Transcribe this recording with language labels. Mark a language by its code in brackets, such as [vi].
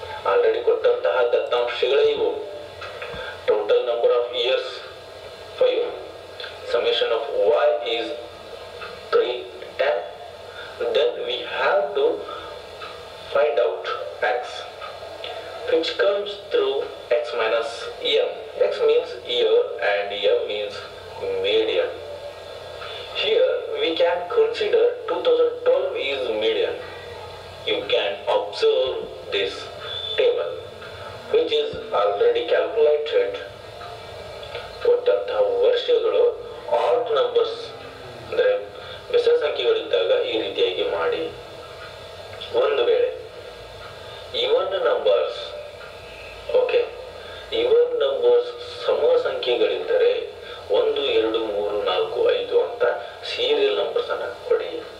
[en] already [kn] ಕೊಟ್ಟಂತಹ ದತ್ತಾಂಶಗಳೇ ಇವು. [en] Total number of years 5, summation of y is 3, 10. Then we have to find out x which comes through x minus M. X means year and M means medium. Here we can consider 2012 is median. You can observe this table which is already calculated. [kn] ಕೊಟ್ಟಂತಹ ವರ್ಷಗಳು [en] odd numbers [kn] ಅಂದರೆ ಬೆಸ ಸಂಖ್ಯೆಗಳಿದ್ದಾಗ ಈ ರೀತಿಯಾಗಿ ಮಾಡಿ. ಒಂದು ವೇಳೆ [en] even numbers, okay, even numbers [kn] ಸಮ ಸಂಖ್ಯೆಗಳಿದ್ದರೆ 1, 2, 3, 4, 5 ಅಂತ ಸೀರಿಯಲ್ ನಂಬರ್ಸ್ ಅನ್ನ ಕೊಡಿ.